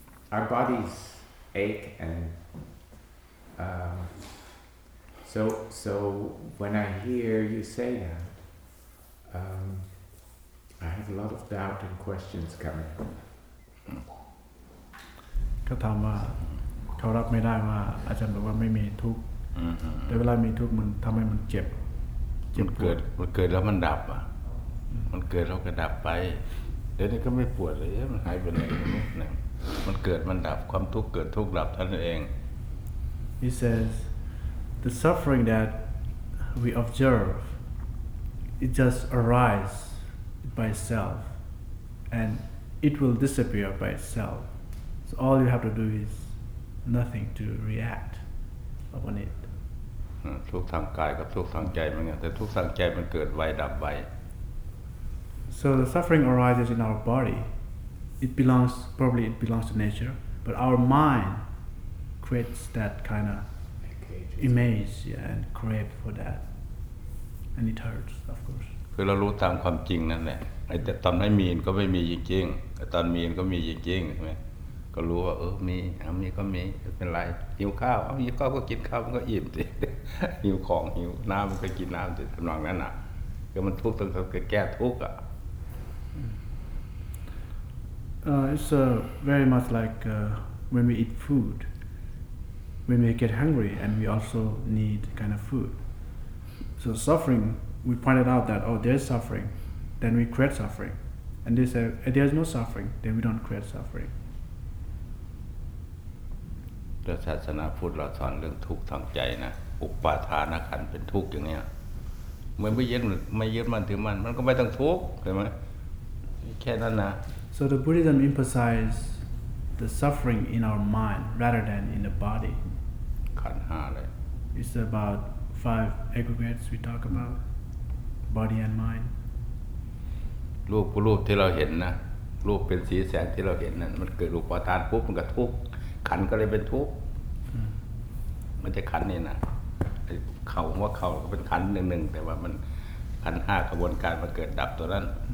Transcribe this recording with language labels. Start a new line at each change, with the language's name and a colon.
English: Our bodies ache, and so when I hear you say that, I have a lot of doubt and questions coming.
Thai: ก็ถามว่าเขารับไม่ได้ว่าอาจารย์บอกว่าไม่มีทุกข์แต่เวลามีทุกข์มันทำให้มันเจ็บ มันเกิดมันเกิดแล้วมันดับอ่ะมันเกิดแล้วก็ดับไปเดี๋ยวนี้ก็ไม่ปวดเลยมันหายไปไหนนะมันเกิดมันดับความทุกข์เกิดทุกข์ดับเท่านั้นเอง
English: He says the suffering that we observe it just arise by itself and it will disappear by itself so all you have to do is nothing to react upon it
Thai: ทุกทางกายกับทุกทางใจมันไงแต่ทุกทางใจมันเกิดไวดับไว
English: So the suffering arises in our body. It belongs, probably it belongs to nature. But our mind creates that kind of image yeah, and crave for that. And it hurts, of course.
Thai: คือเรารู้ตามความจริงนั่นแหละไอ้ตอนไม่มีก็ไม่มีจริงๆไอ้ตอนมีก็มีจริงๆใช่ไหมก็รู้ว่าเออมีเอามีก็มีเป็นไรหิวข้าวเอามีข้าวก็กินข้าวมันก็อิ่มสิหิวของหิวน้ำมันก็กินน้ำสิทำนองนั้นอ่ะก็มันทุกข์ต้องแก้ทุกข์อ่ะ
English: It's very much like when we eat food when we get hungry and we also need kind of food so suffering we pointed out that oh there's suffering then we create suffering and they say if there's no suffering then we don't create suffering
Thai: พระศาสนาพูดเราสอนเรื่องทุกข์ทางใจนะอุปาทานขันธ์เป็นทุกข์อย่างเนี้ยไม่ยึดมันถือมันมันก็ไม่ต้องทุกข์ใช่มั้ยแค่นั้นนะ
English: So the Buddhism emphasizes the suffering in our mind rather than in the body
Thai: ขันธ์5เลย
English: It's about five aggregates we talk about body and mind
Thai: รูปรูปที่เราเห็นนะรูปเป็นสีแสงที่เราเห็นนั่นมันเกิดอุปาทานปุ๊บมันก็ทุกข์ขันก็เลยเป็นทุกข์มันจะขันนี่นะเขาว่าเขาเป็นขันหนึ่งๆแต่ว่ามันขันห้ากระบวนการมาเกิดดับตัวนั้น